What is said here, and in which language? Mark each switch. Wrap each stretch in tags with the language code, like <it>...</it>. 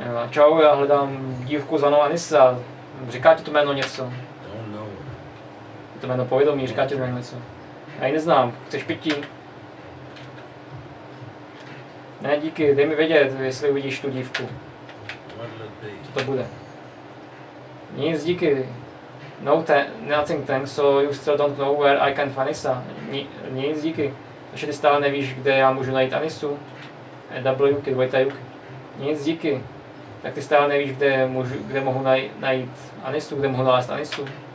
<cs>Čau, já hledám dívku zvanou Anissa. Říká ti to jméno něco?</cs> <en>Don't know.</en> <cs>To jméno povědomí, říká ti to jméno něco? Já ji neznám, chceš pití? Ne, díky, dej mi vědět, jestli uvidíš tu dívku. Co to bude? Nic, díky.</cs> <en>No, nothing, thanks, so you still don't know where I can find Anissa.</en> <cs>Nic, díky. Takže ty stále nevíš, kde já můžu najít Anissu. Wuky, dvojta Yuki. Nic, díky. Tak ty stále nevíš, kde mohu najít Anissu, kde mohu nalézt Anissu.</cs>